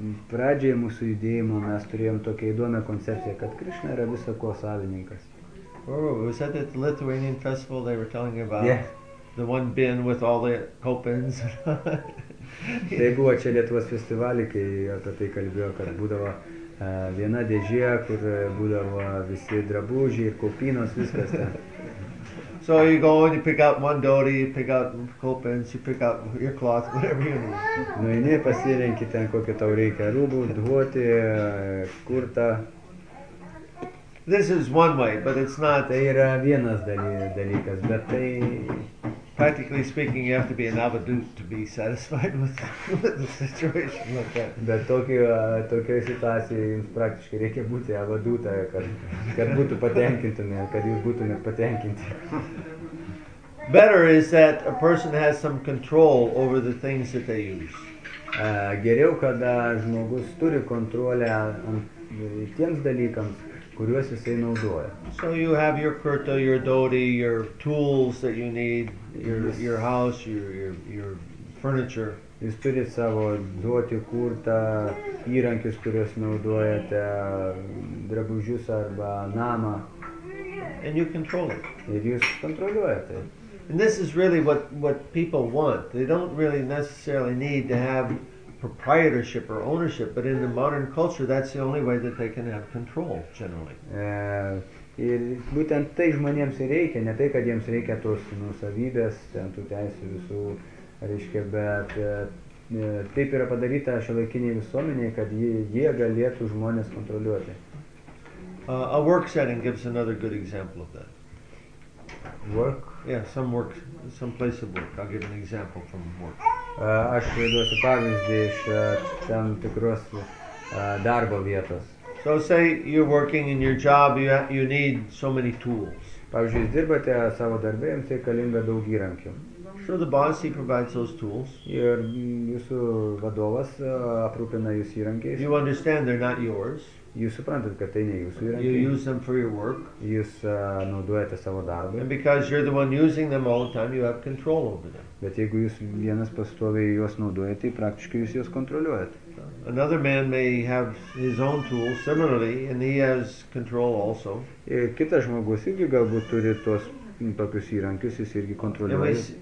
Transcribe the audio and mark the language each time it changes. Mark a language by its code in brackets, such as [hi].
[lt] Pradžioje mūsų judėjimo mes turėjom tokią įdomią koncepciją, kad Krishna yra viso ko savininkas. [en] Oh, was that at the Lithuanian festival they were telling about? Yeah. The one bin with all the copens. [lt] Tai buvo čia Lietuvos festivalį, kai apie tai kalbėjo, kad būdavo viena dėžė, kur būdavo visi drabužiai ir kopinos, viskas ten. [en] So you go and you pick out one dhoti, you pick out copens, you pick out your cloth, whatever you need. [lt] Nu, eini, pasirenki ten, kokio tau reikia, rūbų, dhoti, kurta. [en] This is one way, but it's not... [lt] Tai yra vienas dalykas, bet tai... [en] Practically speaking, you have to be an avadut to be satisfied with the situation like that. [lt] Bet tokioje situacijoje jums praktiškai reikia būti avadutą, kad būtų patenkintumė, kad jūs būtumėt patenkinti. [en] Better is that a person has some control over the things that they use. [lt] Geriau, kada žmogus turi kontrolę tiems dalykams, kuriuos jisai naudoja. [en] So you have your kurta, your dhoti, your tools that you need, your house, your furniture. [lt] Jis turi savo dhoti, kurta, įrankius, kuriuos naudojate, drabužius arba namą. [en] And you control it. [lt] Ir jūs kontroliuojate. [en] And this is really what people want. They don't really necessarily need to have proprietorship or ownership, but in the modern culture that's the only way that they can have control generally. [lt] Ir būtent tai žmonėms ir reikia, ne tai, kad jiems reikia tos nuosavybės, ten tų teisų visų, reiškia, bet taip yra padaryta šiuolaikiniai visuomeniai, kad jie galėtų žmonės kontroliuoti. [en] A work setting gives another good example of that. Work? Yeah, some work, some place of work. I'll give an example from work. [lt] Aš duosiu pavyzdį iš tam tikros darbo vietos. [en] So say you're working in your job, you need so many tools. [lt] Pavyzdžiui, jūs dirbate savo darbe, jums reikalinga daug įrankių. [en] So the boss, he provides those tools. [lt] Ir jūsų vadovas aprūpina jūs įrankiais. [en] You understand they're not yours. [lt] Jūs suprantat, kad tai ne jūsų įrankiai. [en] You use them for your work. [lt] Jūs naudojate savo darbą. [en] And because you're the one using them all the time, you have control over them. [lt] Bet jeigu jūs vienas pastoviai juos naudojate, tai praktiškai jūs juos kontroliuojate. [en] Another man may have his own tools similarly, and he has control also. [lt] Ir kitas žmogus irgi galbūt turi tuos tokius įrankius, jis irgi kontroliuoja.